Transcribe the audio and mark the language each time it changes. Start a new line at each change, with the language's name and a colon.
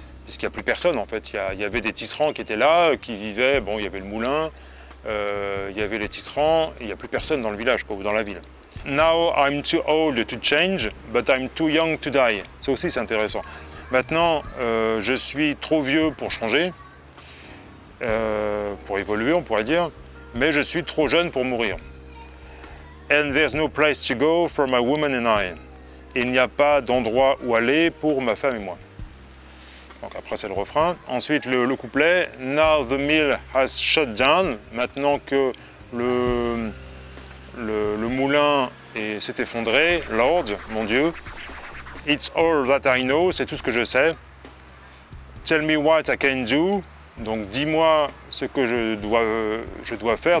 French: parce qu'il n'y a plus personne en fait. Il y avait des tisserands qui étaient là, qui vivaient. Bon, il y avait le moulin, il y avait les tisserands. Il n'y a plus personne dans le village quoi, ou dans la ville.
English: Now I'm too old to change, but I'm too young to die.
French: Ça aussi, c'est intéressant. Maintenant, je suis trop vieux pour changer, pour évoluer, on pourrait dire, mais je suis trop jeune pour mourir.
English: And there's no place to go for my woman and I.
French: Il n'y a pas d'endroit où aller pour ma femme et moi. Donc après, c'est le refrain. Ensuite, le couplet.
English: Now the mill has shut down.
French: Maintenant que le moulin s'est effondré, Lord, mon Dieu.
English: It's all that I know,
French: c'est tout ce que je sais.
English: Tell me what I can do.
French: Donc dis-moi ce que je dois faire.